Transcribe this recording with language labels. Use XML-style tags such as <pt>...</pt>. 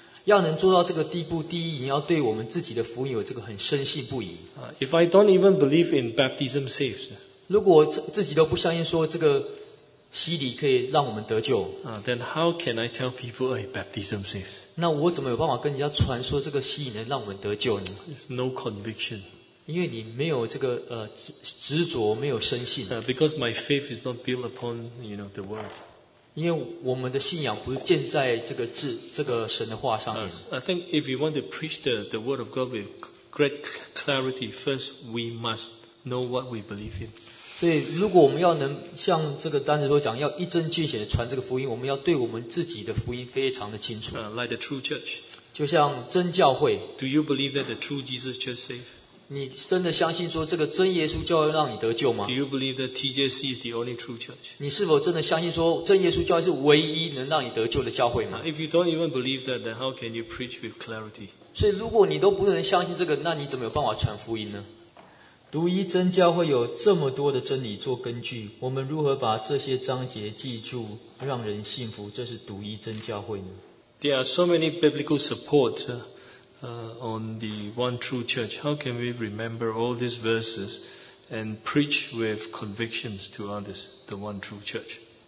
<zh>要能做到这个地步，第一，你要对我们自己的福音有这个很深信不疑。</zh> <en>If I don't even believe in baptism saves,</en> <zh>如果我自己都不相信说这个洗礼可以让我们得救，</zh> <en>then how can I tell people hey, baptism saves?</en> <zh>那我怎么有办法跟人家传说这个洗礼能让我们得救呢？</zh> <en>There's no conviction.</en> <zh>因为你没有这个执着，没有深信。</zh> <en>Because my faith is not built upon you know the word.</en> <zh>因为我们的信仰不是建在这个神的话上面。</zh> <en>I think if you want to preach the word of God with great clarity, first we must know what we believe in.</en> <zh>所以如果我们要能像这个单子所讲，要一针见血的传这个福音，我们要对我们自己的福音非常的清楚。</zh> <en>Like the true church.</en> <zh>就像真教会。</zh> <en>Do you believe that the true Jesus just saved?</en> <zh>你真的相信说这个真耶稣教会让你得救吗？</zh> <en>Do you believe that TJC is the only true church?</en> <zh>你是否真的相信说真耶稣教会是唯一能让你得救的教会吗？</zh> <en>If you don't even believe that, then how can you preach with clarity?</en> <zh>所以如果你都不能相信这个，那你怎么有办法传福音呢？独一真教会有这么多的真理做根据，我们如何把这些章节记住，让人信服这是独一真教会呢？</zh> <en>There are so many biblical support on the one true church. How can we remember all these verses and preach with convictions to others, the one true church?</en>